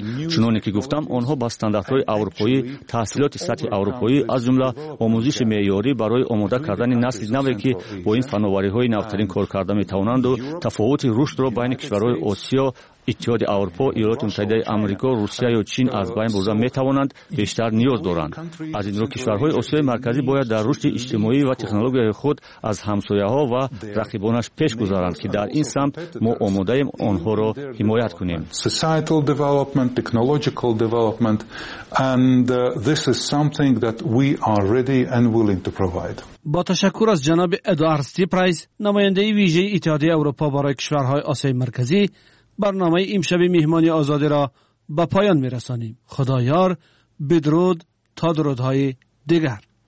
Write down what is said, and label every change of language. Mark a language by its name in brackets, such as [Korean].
[Persian] چنانی که گفتم آنها با استانداردهای اروپایی، تحصیلات سطح اروپایی از جمله آموزش معیاری برای آماده کردن نسل نوی که با این فناوری های نوترین کار کرده میتوانند و تفاوت رشد را بین کشورهای آسیا، اتحاد اروپا، ایالات متحده آمریکا، روسیه یا چین از بین برده میتوانند بیشتر نیاز دارند. از این رو کشورهای آسیای مرکزی باید در رشد اجتماعی و تکنولوژی خود از همسایه‌ها و رقیبانش پیش گذارند که در این سمت ما آماده ایم آنها را حمایت کنیم. [English] Societal development, technological development, and this is something that we are ready and willing to provide. [Persian] با تشکر از جناب ادوارد استیپرایز، نماینده ویژه اتحاد اروپا برای کشورهای آسیای مرکزی، برنامه امشب مهمانی آزادی را به پایان می رسانیم. خدا یار، بدرود تا درودهای دیگر.